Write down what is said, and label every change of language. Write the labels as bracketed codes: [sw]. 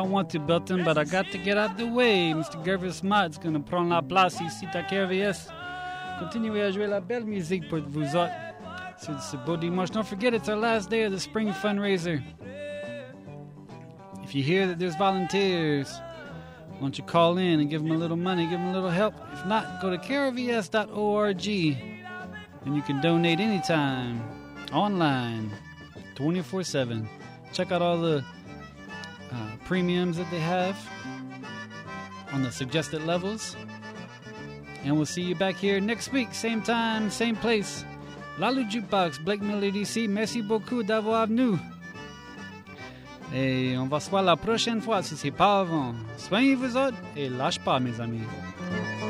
[en] To Belton, but I got to get out the way. Mr. [fr] Gervis Mott's gonna prendre la place ici à KRVS. Continue à jouer la belle musique pour vous autres. C'est ce beau dimanche. [en] Don't forget, it's our last day of the spring fundraiser. If you hear that there's volunteers, why don't you call in and give them a little money, give them a little help. If not, go to KRVS.org and you can donate anytime, online, 24/7. Check out all the premiums that they have on the suggested levels, and we'll see you back here next week, same time, same place. [fr] Lalu Jukebox, Blake Miller DC, merci beaucoup d'avoir venu, et on va se voir la prochaine fois si c'est pas avant. Soignez-vous autres et lâche pas, mes amis.